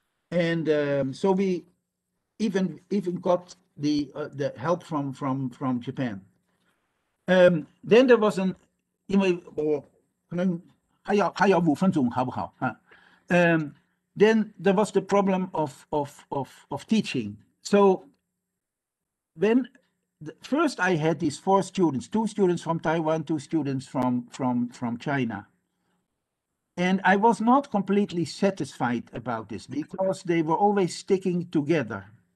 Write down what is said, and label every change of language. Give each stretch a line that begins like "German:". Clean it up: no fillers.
English: And so we even got the help from Japan. Then there was an...
Chinese: 因为我可能还要五分钟，好不好？
English: Then there was the problem of teaching. So when first I had these four students, two students from Taiwan, two students from China. And I was not completely satisfied about this because they were always sticking together.